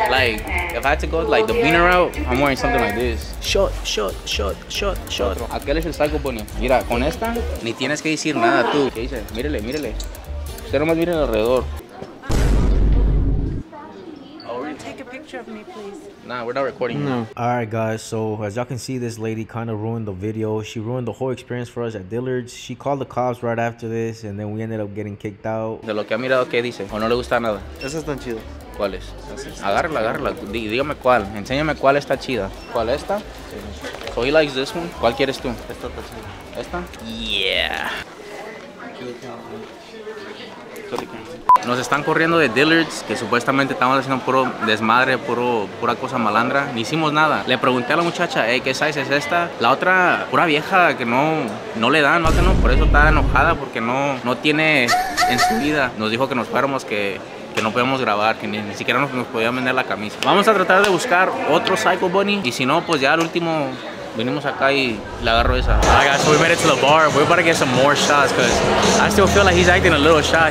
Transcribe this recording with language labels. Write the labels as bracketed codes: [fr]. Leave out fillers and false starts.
[en] Like, if I had to go like the beaner route, I'm wearing something like this. Shot. [es] Aquel es el Psycho Bunny. Mira, con esta ni tienes que decir nada tú. ¿Qué dice? Mírele. Usted nomás mire alrededor. [en] Take a picture of me, please. Nah, we're not recording. No. All right, guys. So as y'all can see, this lady kind of ruined the video. She ruined the whole experience for us at Dillard's. She called the cops right after this, and then we ended up getting kicked out. [es] De lo que ha mirado, ¿qué dice? ¿O no le gusta nada? Esa está chida. ¿Cuál es? Agárrala. Dígame cuál. Enséñame cuál está chida. ¿Cuál esta? Sí. [en] So he likes this one. [es] ¿Cuál quieres tú? Esta también. ¿Esta? [en] Yeah. [es] Nos están corriendo de Dillard's, que supuestamente estamos haciendo puro desmadre, pura cosa malandra. Ni hicimos nada. Le pregunté a la muchacha, hey, ¿qué size es esta? La otra, pura vieja, que no le dan, ¿no? Por eso está enojada, porque no tiene en su vida. Nos dijo que nos fuéramos, que no podemos grabar, que ni siquiera nos podían vender la camisa. Vamos a tratar de buscar otro Psycho Bunny, y si no, pues ya al último... Venimos acá y le agarro esa. [en] Alright guys, so we made it to the bar. We're about to get some more shots because I still feel like he's acting a little shy.